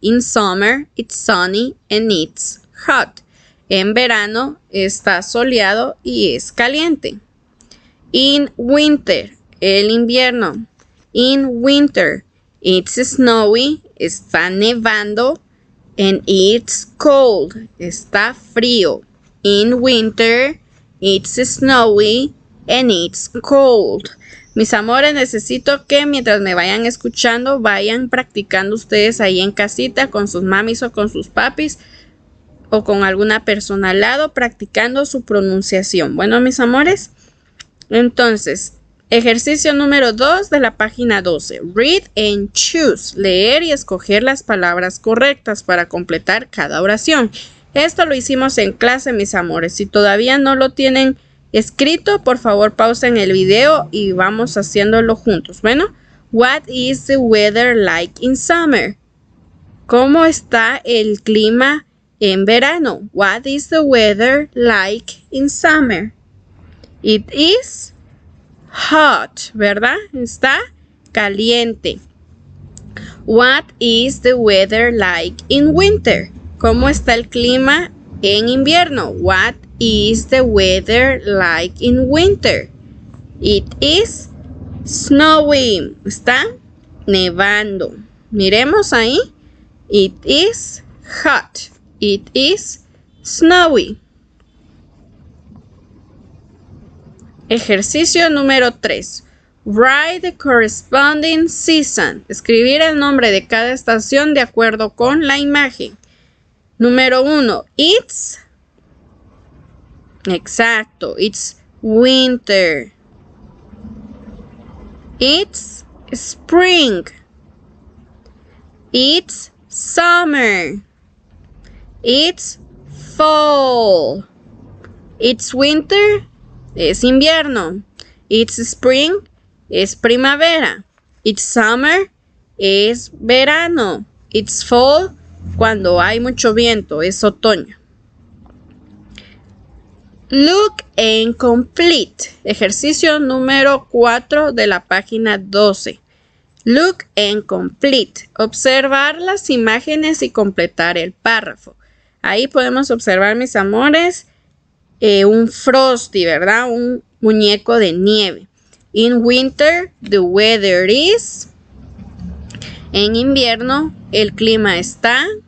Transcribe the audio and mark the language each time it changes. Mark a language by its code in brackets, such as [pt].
[en] In summer, it's sunny and it's hot. [es] En verano, está soleado y es caliente. [en] In winter, [es] el invierno. [en] In winter, it's snowy, [es] está nevando, [en] and it's cold, [es] está frío. [en] In winter, it's snowy and it's cold. [es] Mis amores, necesito que mientras me vayan escuchando, vayan practicando ustedes ahí en casita con sus mamis o con sus papis o con alguna persona al lado practicando su pronunciación. Bueno, mis amores, entonces Ejercicio número 2 de la página 12. [en] Read and choose. [es] Leer y escoger las palabras correctas para completar cada oración. Esto lo hicimos en clase, mis amores. Si todavía no lo tienen escrito, por favor pausen el video y vamos haciéndolo juntos. [en] Bueno, what is the weather like in summer? [es] ¿Cómo está el clima en verano? [en] What is the weather like in summer? It is hot, [es] ¿verdad? Está caliente. [en] What is the weather like in winter? [es] ¿Cómo está el clima en invierno? [en] What is the weather like in winter? It is snowing. [es] Está nevando. Miremos ahí. [en] It is hot. It is snowy. [es] Ejercicio número 3. [en] Write the corresponding season. [es] Escribir el nombre de cada estación de acuerdo con la imagen. Número 1. It's. Exacto. [en] It's winter. It's spring. It's summer. It's fall. It's winter. [es] Es invierno. [en] It's spring. [es] Es primavera. [en] It's summer. [es] Es verano. [en] It's fall. [es] Cuando hay mucho viento. Es otoño. [en] Look and complete. [es] Ejercicio número 4 de la página 12. [en] Look and complete. [es] Observar las imágenes y completar el párrafo. Ahí podemos observar, mis amores, un Frosty, ¿verdad? Un muñeco de nieve. [en] In winter, the weather is. [es] En invierno, el clima está.